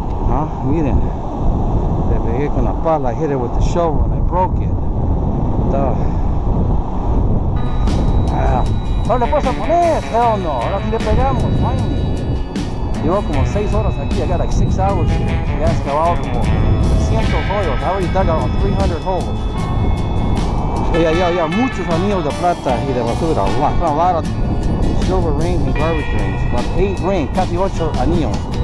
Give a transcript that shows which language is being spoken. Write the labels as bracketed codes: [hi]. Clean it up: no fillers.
[es] Ah, miren, le pegué con la pala. [en] I hit it with the shovel and I broke it. [es] Está. No le puedes poner, hell no, ahora sí le pegamos, finally. Llevo como 6 horas aquí, [en] I got like 6 hours here. [es] Ya he excavado como 300 hoyos, [en] I already dug out 300 holes. [es] Yeah, muchos anillos de plata y de basura. [en] I found a lot of silver rings and garbage rings, about 8 rings, [es] casi 8 anillos.